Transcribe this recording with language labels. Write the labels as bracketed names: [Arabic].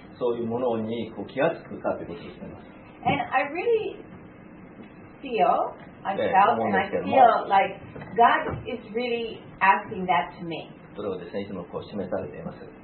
[Japanese] そういうものにこう気がつくかということを言ってます。 [English] And I really feel, I felt, and I feel like God is really asking that to me. [Japanese] それをですね、いつもこう示されています。